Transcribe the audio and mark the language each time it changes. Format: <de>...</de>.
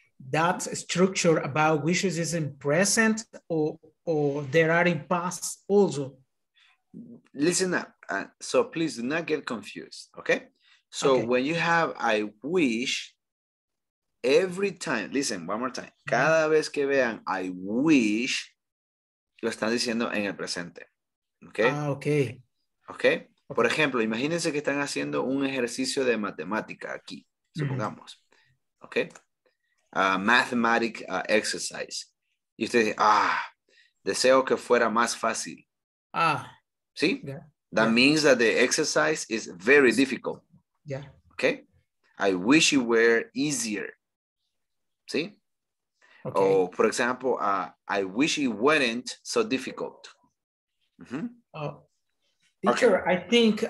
<en>That structure about wishes is in present or there are in past also? Listen up. So please do not get confused, okay? So okay. When you have I wish, every time, listen, one more time.</en> <es>Cada vez que vean</es> <en>I wish,</en> <es>lo están diciendo en el presente, okay?</es> <en>Ah, okay. Okay?</en> <es>Por ejemplo, imagínense que están haciendo un ejercicio de matemática aquí, supongamos, okay?</es> <en>Mathematical exercise.</en> <es>Y usted dice, ah, deseo que fuera más fácil. Ah. ¿Sí? Yeah.</es> <en>That means that the exercise is very difficult. Yeah. Okay? I wish it were easier. ¿Sí? Okay. Or, for example, I wish it weren't so difficult. Mm-hmm. Teacher, okay.</en>